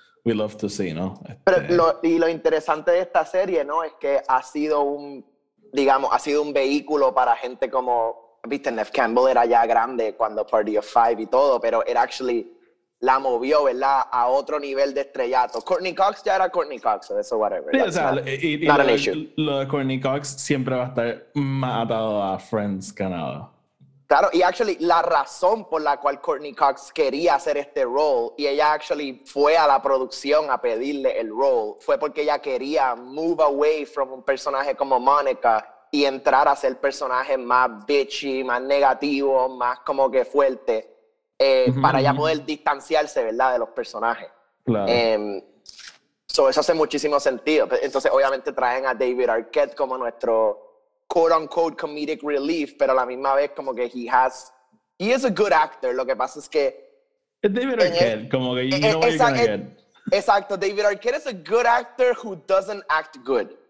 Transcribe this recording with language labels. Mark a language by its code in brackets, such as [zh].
[en] We love to see, ¿no? [es] Pero lo interesante de esta serie, ¿no?, es que ha sido un, digamos, ha sido un vehículo para gente como, viste, Neve Campbell era ya grande cuando Party of Five y todo, pero [en] it actually [es] la movió, ¿verdad?, a otro nivel de estrellato. Courtney Cox ya era Courtney Cox, [en] so that's whatever. [es] Sí, [en] that's, [es] o sea, [en] not an issue. [es] Lo de Courtney Cox siempre va a estar más atado a Friends que nada. Claro, y actually la razón por la cual Courtney Cox quería hacer este role y ella actually fue a la producción a pedirle el role fue porque ella quería [en] move away from [es] un personaje como Monica y entrar a ser personaje más bitchy, más negativo, más como que fuerte, para ya poder distanciarse, ¿verdad?, de los personajes. Claro. So eso hace muchísimo sentido. Entonces obviamente traen a David Arquette como nuestro... [en] quote unquote comedic relief, [es] pero a la misma vez como que [en] he is a good actor. [es] Lo que pasa es que [en] David Arquette, [es] como que [en] you know what you're gonna get. [es] Exacto, [en] David Arquette is a good actor who doesn't act good.